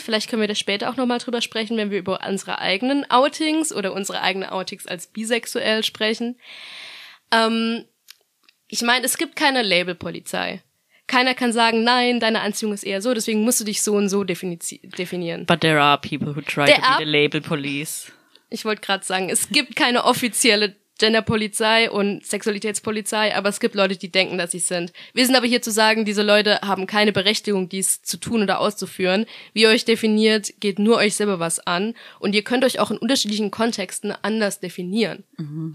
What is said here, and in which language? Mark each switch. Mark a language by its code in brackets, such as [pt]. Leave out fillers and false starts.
[de] Vielleicht können wir da später auch nochmal drüber sprechen, wenn wir über unsere eigenen Outings oder unsere eigenen Outings als bisexuell sprechen. Ich meine, es gibt keine Labelpolizei. Keiner kann sagen, nein, deine Anziehung ist eher so, deswegen musst du dich so und so definieren. [en] But there are people who try to be the label police. [de] Ich wollte gerade sagen, es gibt keine offizielle Genderpolizei und Sexualitätspolizei, aber es gibt Leute, die denken, dass sie sind. Wir sind aber hier zu sagen, diese Leute haben keine Berechtigung, dies zu tun oder auszuführen. Wie ihr euch definiert, geht nur euch selber was an. Und ihr könnt euch auch in unterschiedlichen Kontexten anders definieren. Mhm.